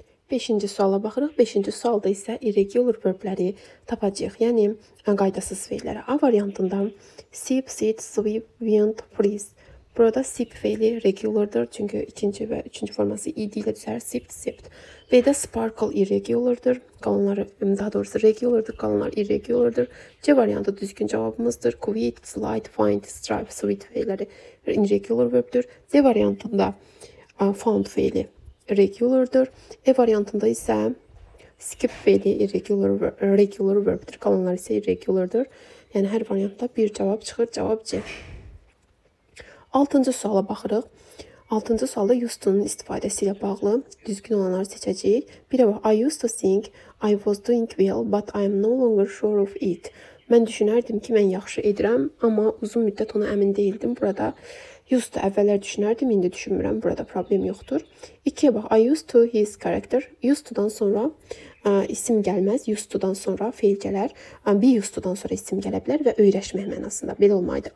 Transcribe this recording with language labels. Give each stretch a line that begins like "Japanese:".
Azerbaijani: 5-ci suala baxırıq. 5-ci sualda isə irregular verbləri tapacaq. Yəni, qaydasız feillərə. A variantında sip, sit, sweep, wind, freeze. Burada sip feili regulardır, çünki ikinci və üçüncü forması ed ilə düzər, sipt, sipt. B-də sparkle irregulardır, qalanları, daha doğrusu regulardır, qalanlar irregulardır. C variantı düzgün cavabımızdır. Quit, slide, find, stripe, sweet feiləri irregular verbdür. D variantında found feili regulardır. E variantında isə Skip fəili irregular verbdir. Qalanlar isə irregulardır. Yəni, hər variantda bir cavab çıxır, cavab C. 6-cı suala baxırıq. 6-cı sualda used-un istifadəsi ilə bağlı düzgün olanları seçəcəyik. Birə bax,
English: I used to think I was doing well, but I am no longer sure of it.
Azerbaijani: Mən düşünərdim ki, mən yaxşı edirəm, amma uzun müddət ona əmin deyildim. Burada used to əvvəllər düşünərdim, indi düşünmürəm, burada problem yoxdur. 2-yə bax,
English: I used to his character.
Azerbaijani: Used-dan sonra isim gəlməz, used-dan sonra fail gələr. Be used-dan sonra isim gələ bilər və öyrəşmək mənasında belə olmaydı.